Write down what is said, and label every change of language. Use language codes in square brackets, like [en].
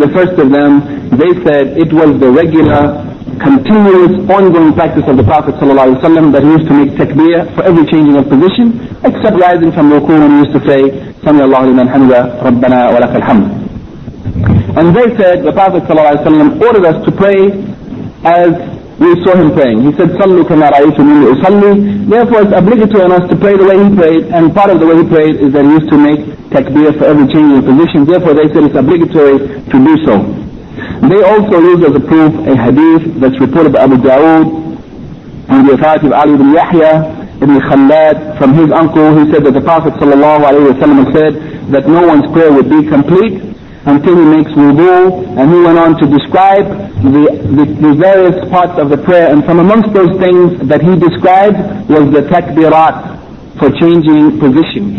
[en] The first of them, they said it was the regular, continuous, ongoing practice of the Prophet ﷺ that he used to make takbir for every changing of position, except rising from ruku, when he used to say, [ar] سَمِعَ اللَّهُ لِمَنْ حَمِدَ رَبَّنَا وَلَكَ الْحَمْدُ. [en] And they said the Prophet ﷺ ordered us to pray as we saw him praying. He said, [ar] صَلُّ كَمَا رَأَيْتُ مِنْ لِأُصَلِّ. [en] Therefore it's obligatory on us to pray the way he prayed, and part of the way he prayed is that he used to make takbir for every change of position. Therefore they said it's obligatory to do so. They also used as a proof a hadith that's reported by Abu Dawood in the authority of Ali ibn Yahya ibn Khallad from his uncle, who said that the Prophet ﷺ said that no one's prayer would be complete until he makes wudu, and he went on to describe the various parts of the prayer, and from amongst those things that he described was the takbirat for changing position.